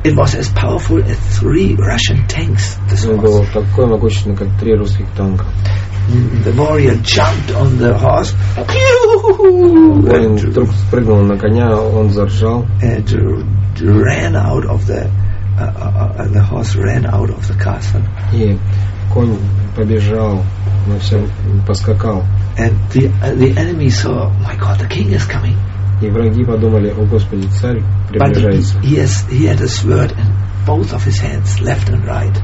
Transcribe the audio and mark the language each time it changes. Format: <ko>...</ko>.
<en>It was as powerful as 3 Russian tanks. This horse.</en> <ru>Было такое могущественное, как 3 русских танка.</ru> <en>The warrior jumped on the horse.</en> <ru>Воин вдруг спрыгнул на коня, он заржал.</ru> <en>And ran out of the horse ran out of the castle.</en> <ru>И конь побежал, на все поскакал.</ru> <en>And the enemy saw, my God, the king is coming.</en> <ru>И враги подумали, о Господи, царь приближается.</ru> <en>But he had a sword in both of his hands, left and right.</en>